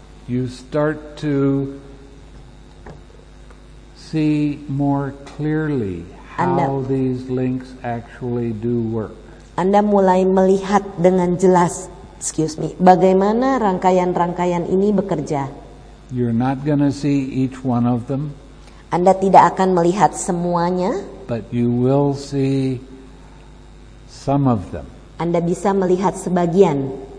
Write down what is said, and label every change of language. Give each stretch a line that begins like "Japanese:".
English: you start to see more clearly how these links actually do work.
Indonesian: Anda mulai melihat dengan jelas, bagaimana rangkaian-rangkaian ini bekerja.
English: You're not gonna see each one of them.
Indonesian: Anda tidak akan melihat semuanya.
English: But you will see some of them.
Indonesian: Anda bisa melihat sebagian.